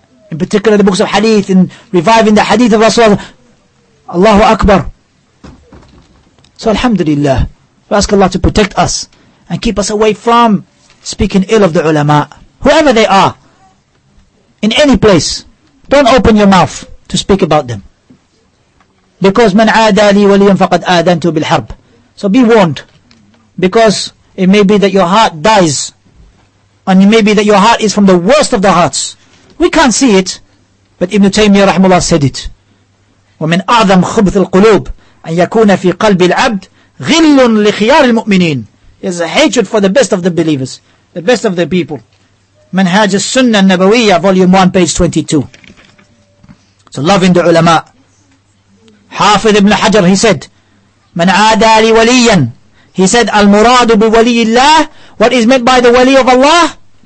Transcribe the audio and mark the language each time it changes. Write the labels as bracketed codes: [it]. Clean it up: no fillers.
[en] In particular, the books of hadith, and reviving the hadith of Rasulullah. Allahu Akbar. So alhamdulillah. We ask Allah to protect us and keep us away from speaking ill of the ulama, whoever they are, in any place. Don't open your mouth to speak about them. Because [ar] من عادى لي وليا فقد آذنت بالحرب. [en] So be warned. Because it may be that your heart dies. And it may be that your heart is from the worst of the hearts. We can't see it. But Ibn Taymiyyah rahimahullah said it. [ar] ومن أعظم خبث القلوب أن يكون في قلب العبد غل لخيار المؤمنين. [en] There's a hatred for the best of the believers, the best of the people. Manhaj al-Sunnah al-Nabawiyyah, volume 1, page 22. So loving the ulama. Hafidh ibn Hajar, he said, [ar] من عادى لوليا, [en] he said, [ar] المراد بولي الله, [en] what is meant by the wali of Allah?